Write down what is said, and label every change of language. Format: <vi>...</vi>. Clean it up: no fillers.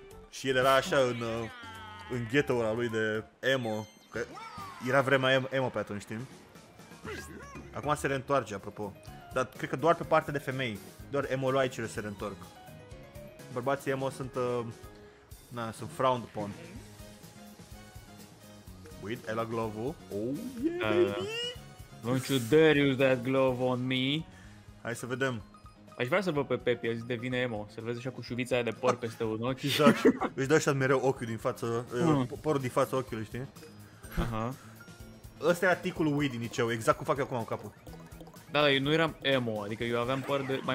<ro>Și el era așa în ghetto-ul ăla lui de emo, că era vremea emo pe atunci, știi? Acum se reîntoarce, apropo. Dar cred că doar pe partea de femei, doar emo-loaicele se reîntorc. Bărbații emo sunt, sunt</ro> <en>frowned upon.</en> <ro>Uite, ai luat glove-ul.</ro> <en>Oh, yeah, baby! Don't you dare use that glove on me.</en> <ro>Hai să vedem. Aș vrea să văd pe Pepi, el devine emo. Să-l vezi așa cu șuvița aia de păr peste un ochi. Exact. Își dă așa mereu ochiul din față. Părul din față ochiului, știi? Ăsta era ticul lui din liceu. Exact cum fac eu acum în capul. Da, dar eu nu eram emo. Adică eu aveam păr de mai</ro>